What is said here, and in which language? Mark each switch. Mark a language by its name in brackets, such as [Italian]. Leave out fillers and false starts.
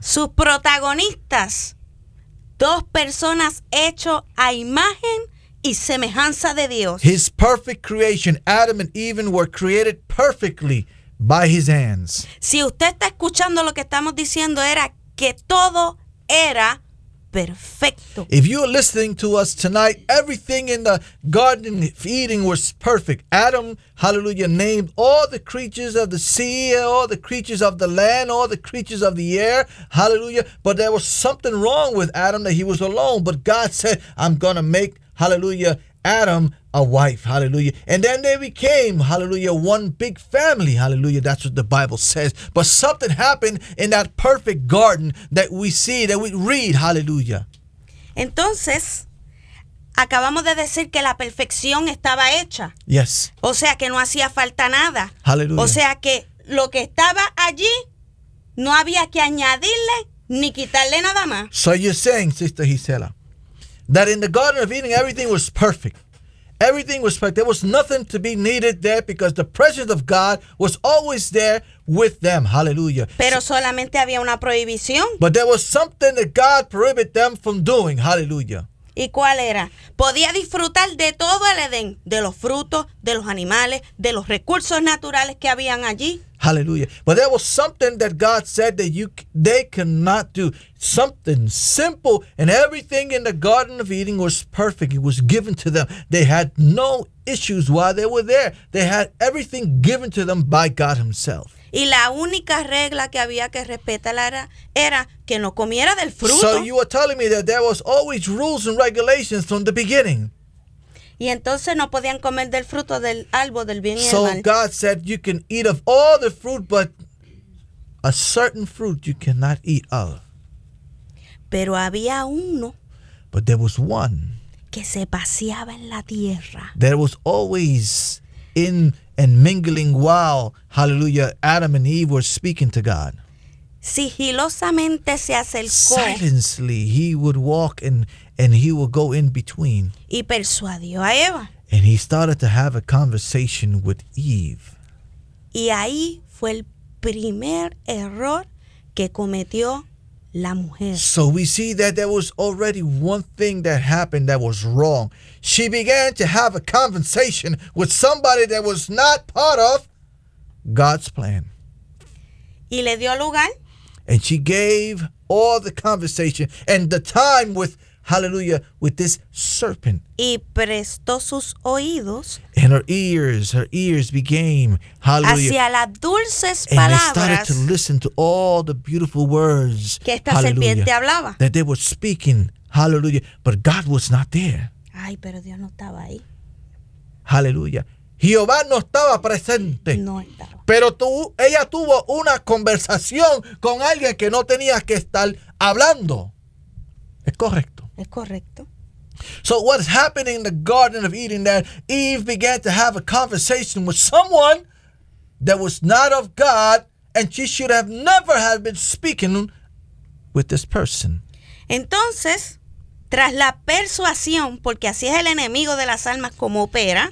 [Spanish] Sus protagonistas, dos personas hechos a imagen y semejanza de Dios. [English] His perfect creation, Adam and Eve, were created perfectly by his hands. [Spanish] Si usted está escuchando lo que estamos diciendo, era que todo era perfecto. [English] If you are listening to us tonight, everything in the Garden of Eden was perfect. Adam, hallelujah, named all the creatures of the sea, all the creatures of the land, all the creatures of the air, hallelujah. But there was something wrong with Adam, that he was alone. But God said, I'm going to make, hallelujah, Adam a wife, hallelujah. And then they became, hallelujah, one big family, hallelujah. That's what the Bible says. But something happened in that perfect garden that we see, that we read, hallelujah. [Spanish] Entonces, acabamos de decir que la perfección estaba hecha. [English] Yes. [Spanish] O sea, que no hacía falta nada. [English] Hallelujah. [Spanish] O sea, que lo que estaba allí, no había que añadirle ni quitarle nada más. [English] So you're saying, Sister Gisela, that in the Garden of Eden, everything was perfect. Everything was perfect. There was nothing to be needed there because the presence of God was always there with them. Hallelujah. [Spanish] Pero solamente había una prohibición. [English] But there was something that God prohibited them from doing. Hallelujah. [Spanish] ¿Y cuál era? Podía disfrutar de todo el Edén, de los frutos, de los animales, de los recursos naturales que habían allí. [English] Hallelujah. But there was something that God said that they cannot do. Something simple, and everything in the Garden of Eden was perfect. It was given to them. They had no issues while they were there. They had everything given to them by God himself. [Spanish] Y la única regla que había que respetar era que no comiera del fruto. [English] So you are telling me that there was always rules and regulations from the beginning. [Spanish] Y entonces no podían comer del fruto del árbol del bien y el mal. [English] So God said you can eat of all the fruit, but a certain fruit you cannot eat of. [Spanish] Pero había uno. [English] But there was one. [Spanish] Que se paseaba en la tierra. [English] There was always in and mingling while, hallelujah, Adam and Eve were speaking to God. [Spanish] Sigilosamente se acercó. [English] Silently he would walk and he would go in between. [Spanish] Y persuadió a Eva. [English] And he started to have a conversation with Eve. [Spanish] Y ahí fue el primer error que cometió la mujer. [English] So we see that there was already one thing that happened that was wrong. She began to have a conversation with somebody that was not part of God's plan. [Spanish] Y le dio lugar. [English] And she gave all the conversation and the time with, hallelujah, with this serpent. [Spanish] Y prestó sus oídos. [English] And her ears became, hallelujah, [Spanish] hacia las dulces [English] and [Spanish] palabras. [English] And they started to listen to all the beautiful words [Spanish] que esta serpiente hablaba. [English] That they were speaking, hallelujah, but God was not there. [Spanish] Ay, pero Dios no estaba ahí. Hallelujah. Jehová no estaba presente. No estaba. Pero ella tuvo una conversación con alguien que no tenía que estar hablando. Es correcto. Es correcto. [English] So what's happening in the Garden of Eden, that Eve began to have a conversation with someone that was not of God, and she should have never have been speaking with this person. [Spanish] Entonces, tras la persuasión, porque así es el enemigo de las almas como opera.